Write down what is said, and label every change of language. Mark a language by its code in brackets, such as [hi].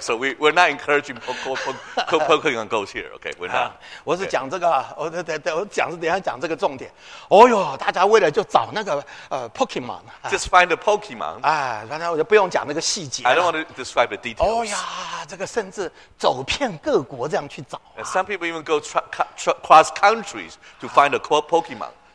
[en] So we're not encouraging Pokemon Go here. Okay, we're not. [zh] 我是讲这个，等一下讲这个重点。哦哟，大家为了就找那个Pokemon。 [en] Just find the Pokemon. [zh] 反正我就不用讲那个细节。 [en] I don't want to describe the details. [zh] 哦呀，这个甚至走遍各国这样去找。 [en] Some people even go cross countries to find the core Pokemon.